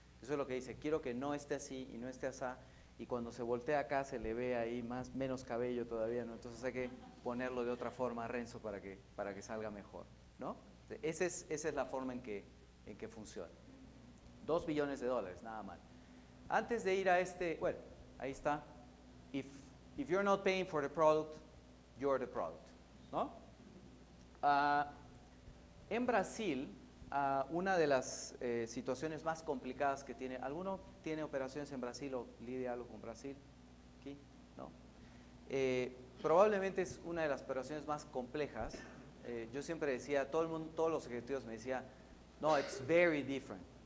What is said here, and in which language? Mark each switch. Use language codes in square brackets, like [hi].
[es] Eso es lo que dice, quiero que no esté así y no esté así. Y cuando se voltea acá, se le ve ahí más, menos cabello todavía, ¿no? Entonces, hay que ponerlo de otra forma, Renzo, para que salga mejor, ¿no? Esa es la forma en que funciona. $2 billones, nada mal. Antes de ir a este, bueno, ahí está. [en] If you're not paying for the product, you're the product, ¿no? [es] En Brasil, una de las situaciones más complicadas que tiene, ¿alguno tiene operaciones en Brasil o lidia algo con Brasil? ¿Aquí? ¿No? Probablemente es una de las operaciones más complejas. Yo siempre decía, todo el mundo, todos los ejecutivos me decían, no, [en] it's very different.